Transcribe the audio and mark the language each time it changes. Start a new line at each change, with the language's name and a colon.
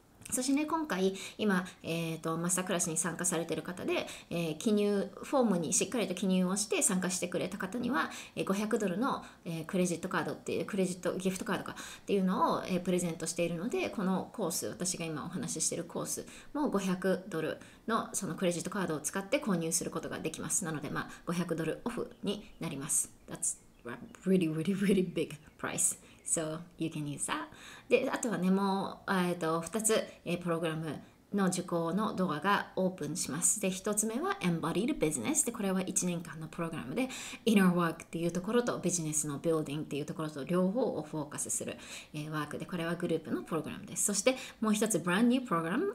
Japanese: そしてね、今回今、マスタークラスに参加されている方で、記入フォームにしっかりと記入をして参加してくれた方には、500ドルの、クレジットカードっていうクレジットギフトカードかっていうのを、プレゼントしているので、このコース、私が今お話ししているコースも500ドルのそのクレジットカードを使って購入することができます。なので、まあ500ドルオフになります。
English: That's a really really really big priceSo you can use that.
Japanese: で、あとはね、もう、2つ、プログラムの受講のドアがオープンします。で、1つ目は Embodied Business。で、これは1年間のプログラムで、Inner Work っていうところとビジネスの Building っていうところと両方をフォーカスする、ワークで、これはグループのプログラムです。そして、もう1つ、Brand New Program。